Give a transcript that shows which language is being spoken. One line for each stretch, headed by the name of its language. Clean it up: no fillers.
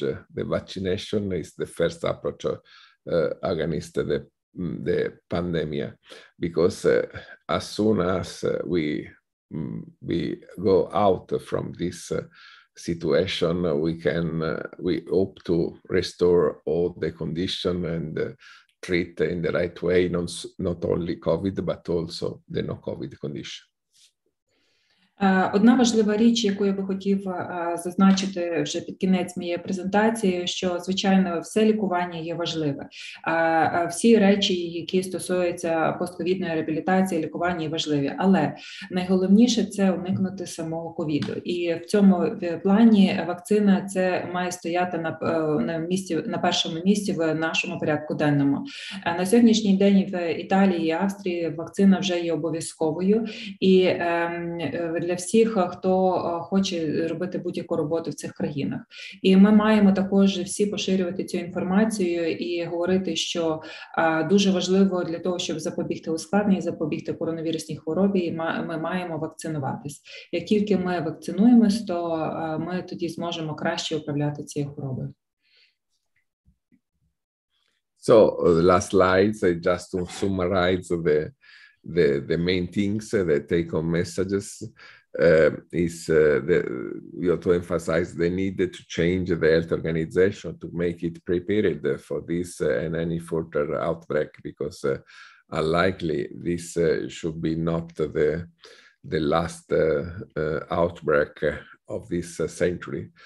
English: The vaccination is the first approach against the pandemic, because as soon as we go out from this situation, we hope to restore all the condition and treat in the right way, not only COVID, but also the no-COVID condition.
Ukrainian: Одна важлива річ, яку я би хотів зазначити вже під кінець моєї презентації, що, звичайно, все лікування є важливе. Всі речі, які стосуються постковідної реабілітації, лікування є важливі. Але найголовніше – це уникнути самого ковіду. І в цьому плані вакцина – це має стояти на першому місці в нашому порядку денному. На сьогоднішній день в Італії і Австрії вакцина вже є обов'язковою. І для всіх, хто хоче робити будь-яку роботу в цих країнах. І ми маємо також всі поширювати цю інформацію і говорити, що дуже важливо для того, щоб запобігти ускладненню, запобігти коронавірусній хворобі, ми маємо вакцинуватись. Як тільки ми вакцинуємось, то ми тоді зможемо краще управляти цією хворобою.
English: So, the last slides, I just to summarize the main things, the take-home messages, to emphasize the need to change the health organization to make it prepared for this and any further outbreak, because unlikely this should be not the last outbreak of this century.